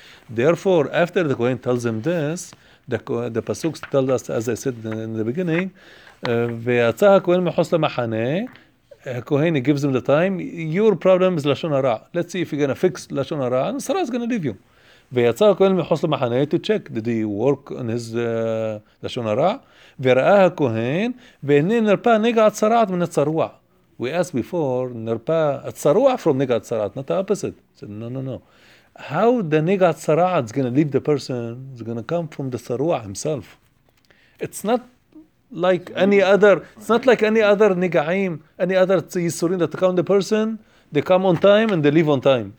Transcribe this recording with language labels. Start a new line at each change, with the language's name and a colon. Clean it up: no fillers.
English: Therefore, after the Kohen tells him this, the pasuk tells us, as I said in the beginning,
Hebrew: ויצא הכהן מחוץ למחנה,
English: הכהן gives him the time, your problem is לשון הרע. Let's see if you're going to fix לשון הרע, and Sara is going to leave you.
Hebrew: ויצא הכהן מחוץ למחנה
English: to check, did he work on his לשון הרע?
Hebrew: וראה הכהן, והנה נרפא נגע הצרעת מן הצרוע.
English: We asked before, נרפא הצרוע from נגע הצרעת, not the opposite. Said, no. How the nega tzara'at is going to leave the person, is going to come from the sarua himself. It's not like any other, nega'im, any other yisurin that come on the person, they come on time and they leave on time.